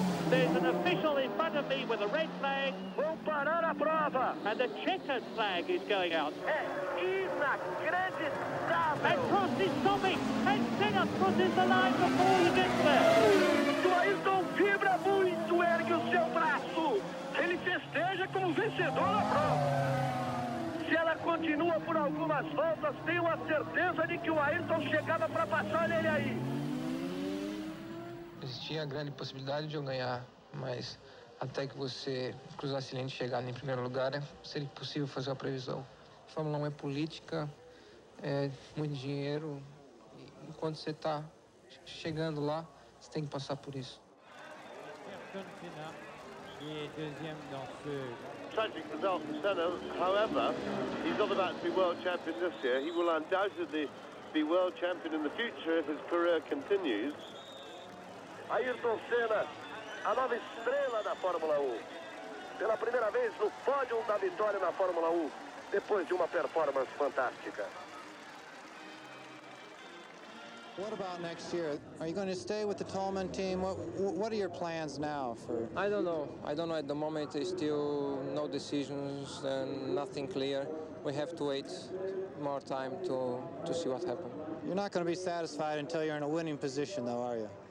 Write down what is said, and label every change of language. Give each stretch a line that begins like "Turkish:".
English: There's an official in front of me with a red flag.
Portuguese: Un parada brava.
English: And the checkered flag is going out. And Prost is stopping. And Senna crosses the line before he gets there.
Portuguese: Tu Ayrton vibra muito, ergue o seu braço. Ele festeja como vencedor da prova. Se ela continua por algumas voltas, tenho a certeza de que o Ayrton chegava para passar ele aí. Existia a grande possibilidade de eu ganhar, mas até que você cruzasse a linha de chegada em primeiro lugar, seria impossível fazer a previsão. A Fórmula 1 é política, é muito dinheiro. E enquanto você está chegando lá, você tem que passar por isso.
French: Ayrton Senna, que é deuxième dans ce...
English: Tragic result for Senna. However, he's not about to be world champion this year. He will undoubtedly be world champion in the future if his career continues.
Portuguese: Ayrton Senna, a nova estrela da Fórmula 1. Pela primeira vez no pódio da vitória na Fórmula 1, depois de uma performance fantástica.
English: What about next year? Are you going to stay with the Tolman team? What are your plans now for... I don't know. At the moment, there's still no decisions and nothing clear. We have to wait more time to see what happens. You're not going to be satisfied until you're in a winning position, though, are you?